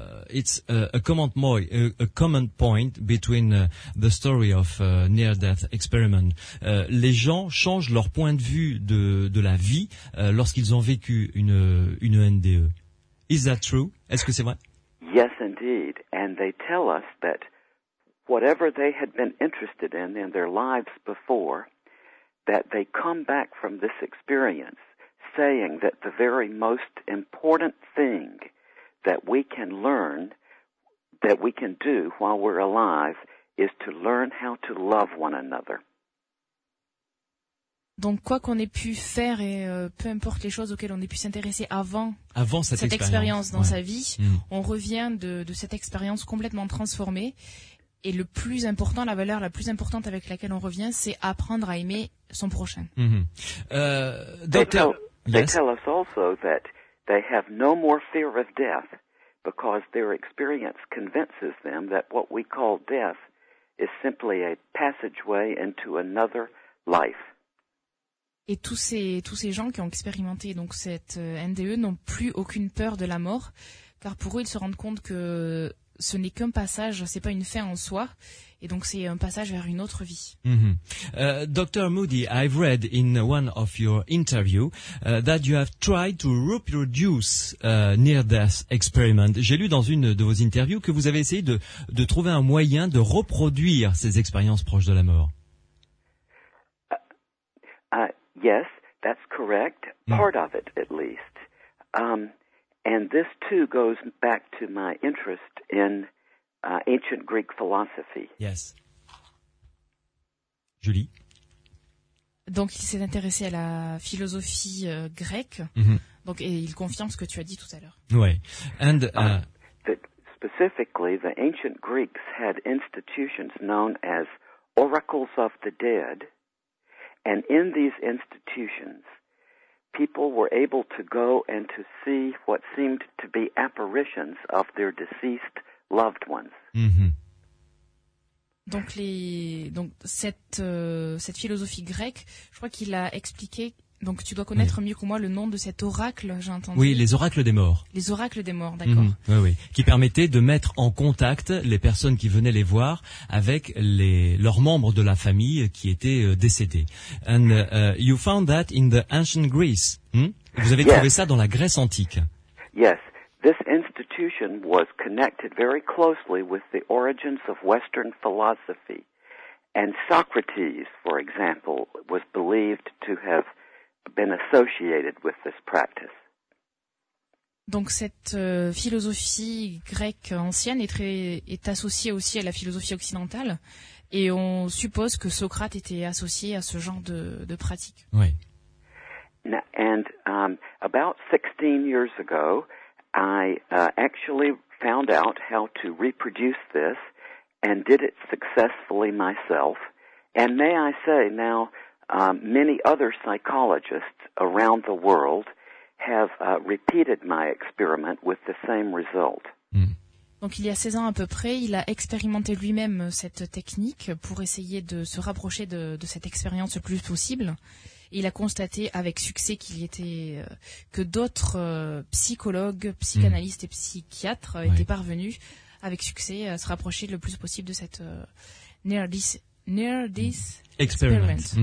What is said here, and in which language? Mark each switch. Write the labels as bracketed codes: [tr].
[en] It's a common point between the story of near-death experiment. [fr] Les gens changent leur point de vue de la vie lorsqu'ils ont vécu une NDE. [en] Is that true? [fr] Est-ce que c'est vrai? [en] Yes, indeed. And they tell us that whatever they had been interested in their lives before, that they come back from this experience saying that the very most important thing that we can learn, that we can do while we're alive, is to learn how to love one another. [fr] Donc quoi qu'on ait pu faire et peu importe les choses auxquelles on ait pu s'intéresser avant cette expérience dans, ouais, sa vie, mmh, on revient de cette expérience complètement transformée. Et le plus important, la valeur la plus importante avec laquelle on revient, c'est apprendre à aimer son prochain. Mm-hmm. [en] They tell us also that they have no more fear of death because their experience convinces them that what we call death is simply a passageway into another life. [fr] Et tous ces gens qui ont expérimenté donc cette NDE n'ont plus aucune peur de la mort, car pour eux, ils se rendent compte que ce n'est qu'un passage, ce n'est pas une fin en soi, et donc c'est un passage vers une autre vie. Mm-hmm. Dr. [en] Moody, I've read in one of your interviews that you have tried to reproduce near-death experiment. [fr] J'ai lu dans une de vos interviews que vous avez essayé de trouver un moyen de reproduire ces expériences proches de la mort. [en] Yes, that's correct. Part of it, at least. And this too goes back to my interest in ancient Greek philosophy. Yes. Julie. [fr] Donc il s'est intéressé à la philosophie grecque. Mm-hmm. Donc et il confirme ce que tu as dit tout à l'heure. Ouais. And [en] specifically the ancient Greeks had institutions known as oracles of the dead, and in these institutions people were able to go and to see what seemed to be apparitions of their deceased loved ones. Mm-hmm. [fr] Donc cette philosophie grecque, je crois qu'il a expliqué, donc tu dois connaître, oui, mieux que moi le nom de cet oracle, j'ai entendu. Oui, les oracles des morts. Les oracles des morts, d'accord. Mm-hmm. Oui, oui, qui permettaient de mettre en contact les personnes qui venaient les voir avec leurs membres de la famille qui étaient décédés. [en] And you found that in the ancient Greece. [fr] Hmm? Vous avez, [en] yes, [fr] trouvé ça dans la Grèce antique. [en] Yes, this institution was connected very closely with the origins of Western philosophy. And Socrates, for example, was believed to have been associated with this practice. Donc cette philosophie grecque ancienne est associée aussi à la philosophie occidentale, et on suppose que Socrate était associé à ce genre de pratique. Oui. Now, and about 16 years ago, I actually found out how to reproduce this, and did it successfully myself. And may I say now, many other psychologists around the world have repeated my experiment with the same result. [fr] Donc il y a 16 ans à peu près, il a expérimenté lui-même cette technique pour essayer de se rapprocher de cette expérience le plus possible. Et il a constaté avec succès qu'il y était que d'autres psychologues, psychanalystes et psychiatres étaient parvenus avec succès à se rapprocher le plus possible de cette [en] near this experiment.